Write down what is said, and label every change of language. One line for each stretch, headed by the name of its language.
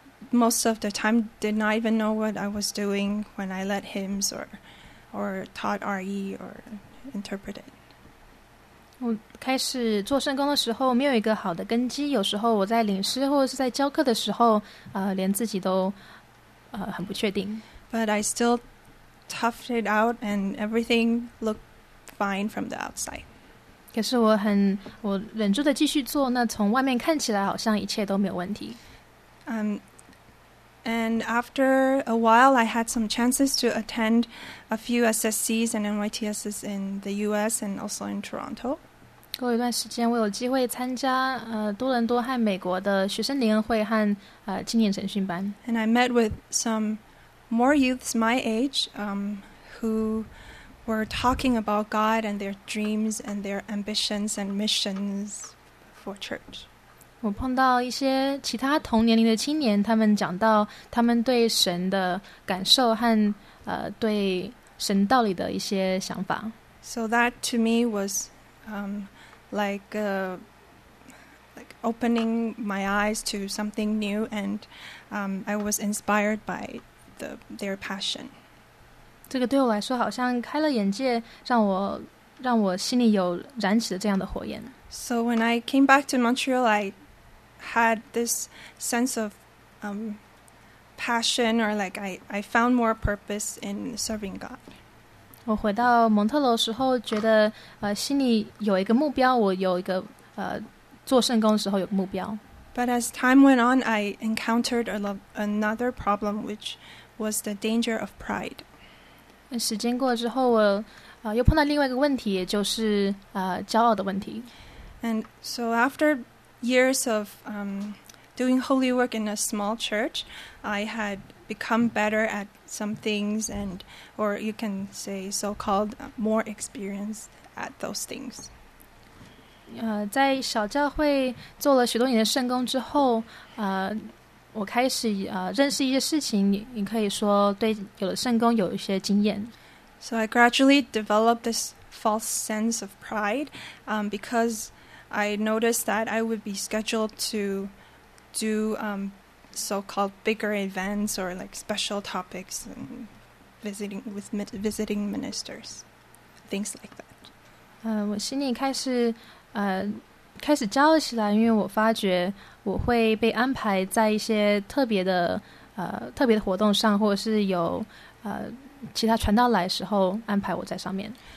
English: Most of the time, did not even know what I was doing when I led hymns or taught RE or interpreted.
Chinese: 我开始做圣工的时候没有一个好的根基，有时候我在领诗或者是在教课的时候，连自己都很不确定。
English: But I still toughed it out, and everything looked fine from the outside.
Chinese: 可是我忍住的继续做，那从外面看起来好像一切都没有问题。
English: And after a while, I had some chances to attend a few SSCs and NYTSs in the U.S. and also in Toronto.
Chinese: 过一段时间，我有机会参加多伦多和美国的学生联会和青年晨训班。
English: And I met with some more youths my age, who were talking about God and their dreams and their ambitions and missions for church.
Chinese: 我碰到一些其他同年龄的青年，他们讲到他们对神的感受和对神道理的一些想法。
English: So that to me was like opening my eyes to something new, and I was inspired by their passion.
Chinese: 这个对我来说好像开了眼界，让我心里有燃起了这样的火焰。
English: So when I came back to Montreal, I had this sense of passion, or like I found more purpose in serving God.
Chinese: 我回到蒙特楼的时候，觉得心里有一个目标，我有一个做圣工的时候有个目标。
English: But as time went on, I encountered another problem, which was the danger of pride.
Chinese: 时间过了之后，我又碰到另外一个问题，也就是骄傲的问题。
English: And so after years of doing holy work in a small church, I had become better at some things, and or you can say so-called more experienced at those things.
Chinese: 在小教会做了许多年的圣工之后，我开始认识一些事情，你可以说对有了圣工有一些经验。
English: So I gradually developed this false sense of pride, because I noticed that I would be scheduled to do so-called bigger events or like special topics and visiting ministers, things like that.
Chinese: 我心里开始骄傲起来，因为我发觉我会被安排在一些特别的活动上，或者是有其他传道来的时候安排我在上面。